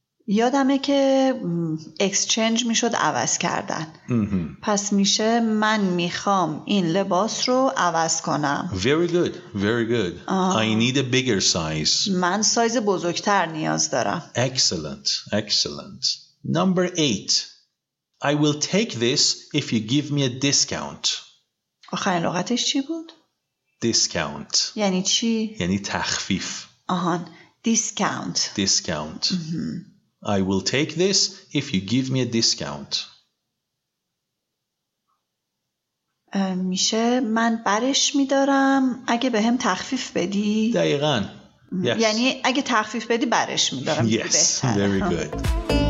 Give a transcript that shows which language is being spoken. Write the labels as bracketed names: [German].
[Persian] یادمه که اکسچنج میشد عوض کردن. پس میشه من میخوام این لباس رو عوض کنم. [English] Very good. Very good. I need a bigger size. [Persian] من سایز بزرگتر نیاز دارم. [English] Excellent. Excellent. Number 8. I will take this if you give me a discount. [Persian] آخرین لغتش چی بود؟ [English] Discount. [Persian] یعنی چی؟ یعنی تخفیف. [English] آهان. Discount. Discount. I will take this if you give me a discount. [Persian] میشه من برش میدارم اگه بهم تخفیف بدی. دقیقاً. Yes. یعنی اگه تخفیف بدی برش میدارم. [English] Yes. Very good.